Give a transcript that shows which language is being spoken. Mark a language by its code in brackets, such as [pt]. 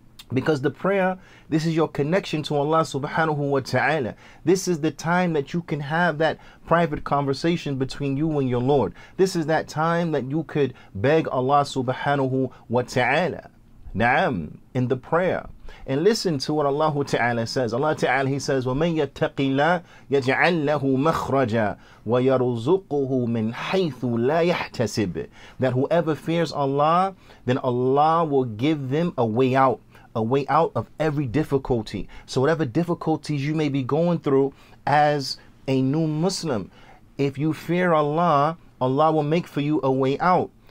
[en] Because the prayer, this is your connection to Allah subhanahu wa ta'ala. This is the time that you can have that private conversation between you and your Lord. This is that time that you could beg Allah subhanahu wa ta'ala. Na'am, in the prayer. And listen to what Allah Ta'ala says. Allah Ta'ala, he says, [ar] وَمَنْ يَتَّقِ اللَّهِ يَجْعَلْ لَهُ مَخْرَجًا وَيَرُزُقُهُ مِنْ حَيْثُ لَا يَحْتَسِبِ. [en] That whoever fears Allah, then Allah will give them a way out. A way out of every difficulty. So whatever difficulties you may be going through as a new Muslim, if you fear Allah, Allah will make for you a way out.